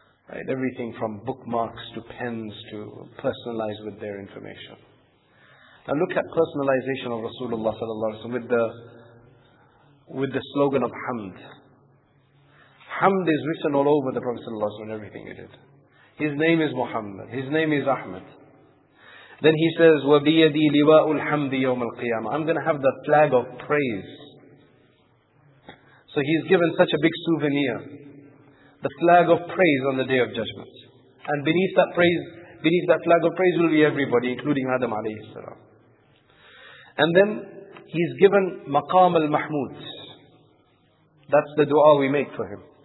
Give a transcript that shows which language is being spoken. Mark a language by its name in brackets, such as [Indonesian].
[English] Right, everything from bookmarks to pens to personalized with their information. Now look at personalization of Rasulullah sallallahu alaihi wasallam with the slogan of Hamd. Hamd is written all over the Prophet sallallahu alaihi wasallam, everything he did. His name is Muhammad. His name is Ahmed. Then he says, [Arabic] وَبِيَدِي لِوَاءُ الْحَمْدِ يَوْمَ الْقِيَامَةِ. [English] I'm going to have the flag of praise. So he's given such a big souvenir. The flag of praise on the Day of Judgment. And beneath that praise, beneath that flag of praise will be everybody, including Adam alayhi salam. And then he's given Maqam al-Mahmud. That's the dua we make for him.